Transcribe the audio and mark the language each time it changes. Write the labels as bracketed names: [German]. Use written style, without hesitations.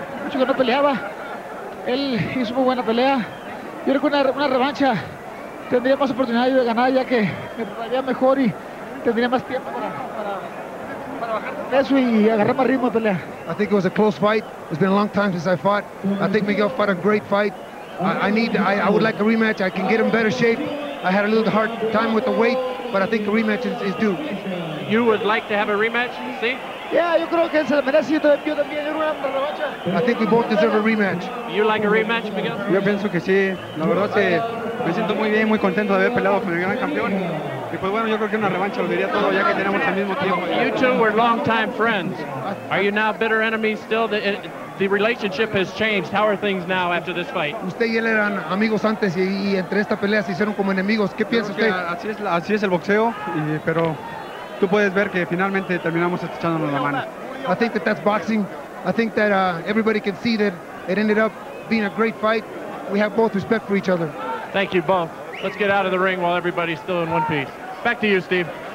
[Spanish] Que no peleaba, él hizo muy buena pelea. Yo creo que una revancha tendría más oportunidad de ganar, ya que me prepararía mejor y tendría más tiempo para bajar de peso y agarrar más ritmo de pelea. [English] I think it was a close fight. It's been a long time since I fought. I think Miguel fought a great fight. I would like a rematch. I can get in better shape. I had a little hard time with the weight, but I think a rematch is due. You would like to have a rematch, see? [Spanish] Yeah, yo creo que se merece y también una revancha. [English] I think we both deserve a rematch. You like a rematch, Miguel? [Spanish] Yo pienso que sí. La verdad que me siento muy bien, muy contento de haber peleado con el gran campeón. Y pues bueno, yo creo que una revancha lo diría todo ya que tenemos el mismo tiempo. [English] You two were long-time friends. Are you now bitter enemies still? The relationship has changed. How are things now after this fight? [Spanish] Usted y él eran amigos antes y entre esta pelea se hicieron como enemigos. ¿Qué piensa usted? Así es el boxeo, pero tú puedes ver que finalmente terminamos echándonos la mano. [English] I think that's boxing. I think that everybody can see that it ended up being a great fight. We have both respect for each other. Thank you both. Let's get out of the ring while everybody's still in one piece. Back to you, Steve.